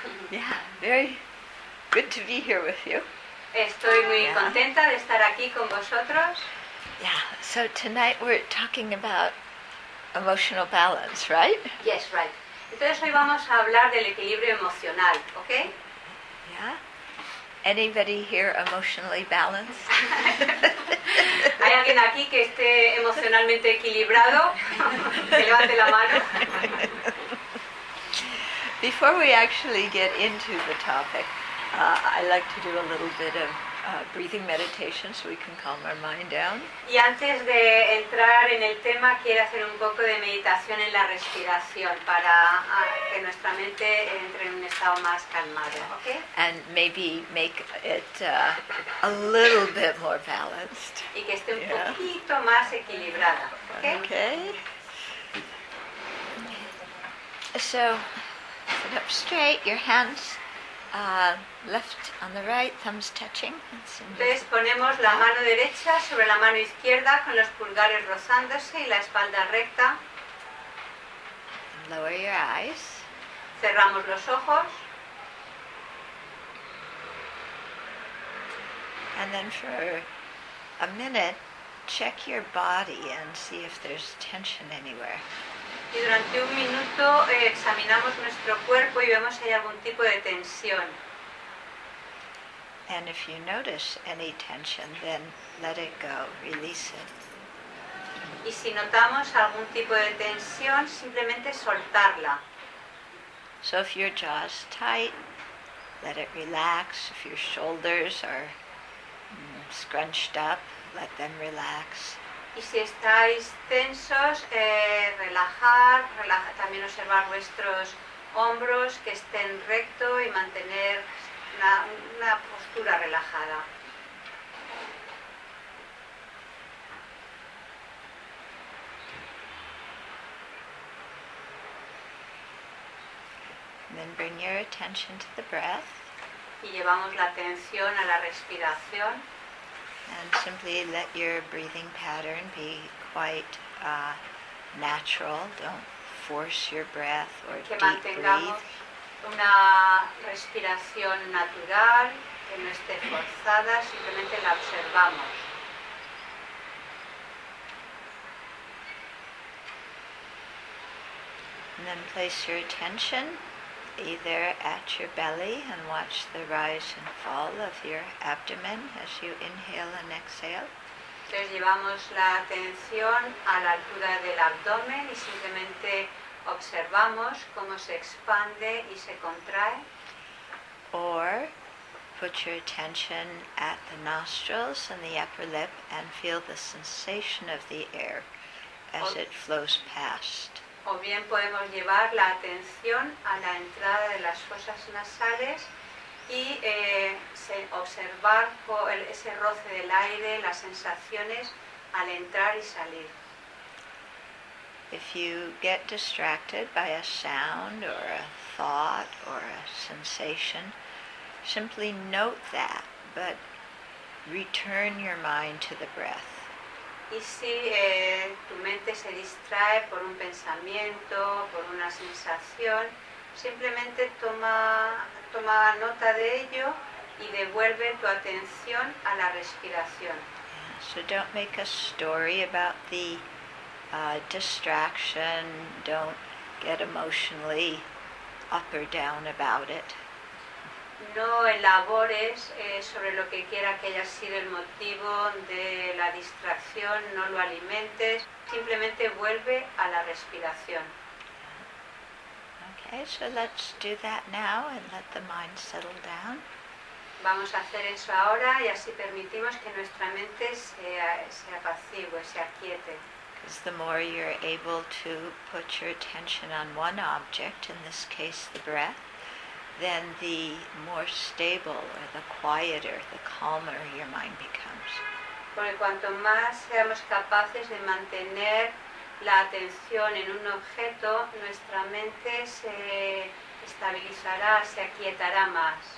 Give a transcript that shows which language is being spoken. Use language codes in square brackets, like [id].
[en] Yeah, very good to be here with you. [es] Estoy muy contenta de estar aquí con vosotros. [en] Yeah, so tonight we're talking about emotional balance, right? Yes, right. [es] Entonces hoy vamos a hablar del equilibrio emocional, ¿okay? [en] Yeah. Anybody here emotionally balanced? [es] ¿Hay alguien aquí que esté emocionalmente equilibrado? Que levante la mano. [en] Before we actually get into the topic, I like to do a little bit of breathing meditation so we can calm our mind down. [es] Y antes de entrar en el tema, quiero hacer un poco de meditación en la respiración para que nuestra mente entre en un estado más calmado, ¿okay? [en] And maybe make it a little bit more balanced. [es] Y que esté un poquito más equilibrada, ¿okay? [en] Okay. So, sit up straight, your hands left on the right, thumbs touching. [es] Entonces ponemos la mano derecha sobre la mano izquierda con los pulgares rozándose y la espalda recta. [en] Lower your eyes. [es] Cerramos los ojos. [en] And then for a minute, check your body and see if there's tension anywhere. [es] Y durante un minuto examinamos nuestro cuerpo y vemos si hay algún tipo de tensión. [en] And if you notice any tension, then let it go, release it. [es] Y si notamos algún tipo de tensión, simplemente soltarla. [en] So if your jaw is tight, let it relax. If your shoulders are scrunched up, let them relax. [es] Y si estáis tensos, relajar, también observar vuestros hombros que estén recto y mantener una postura relajada. [en] Then bring your attention to the breath. [es] Y llevamos la atención a la respiración. [en] And simply let your breathing pattern be quite natural. Don't force your breath or deep breathe. [es] Que mantengamos una respiración natural, que no esté forzada, simplemente la observamos. [en] And then place your attention either at your belly and watch the rise and fall of your abdomen as you inhale and exhale. [es] Entonces llevamos la atención a la altura del abdomen y simplemente observamos cómo se expande y se contrae. [en] Or put your attention at the nostrils and the upper lip and feel the sensation of the air as it flows past. [es] O bien podemos llevar la atención a la entrada de las fosas nasales y observar ese roce del aire, las sensaciones al entrar y salir. [en] If you get distracted by a sound or a thought or a sensation, simply note that, but return your mind to the breath. [es] Y si tu mente se distrae por un pensamiento, por una sensación, simplemente toma nota de ello y devuelve tu atención a la respiración. [en] So don't make a story about the distraction, don't get emotionally up or down about it. [es] No elabores sobre lo que quiera que haya sido el motivo de la distracción, no lo alimentes, simplemente vuelve a la respiración. [en] Okay, so let's do that now and let the mind settle down. [es] Vamos a hacer eso ahora y así permitimos que nuestra mente se apacigüe, se aquiete. [en] Because the more you're able to put your attention on one object, in this case the breath, then the more stable or the quieter, the calmer your mind becomes. [es] Porque cuanto más seamos capaces de mantener la atención en un objeto, nuestra mente se estabilizará, se aquietará más.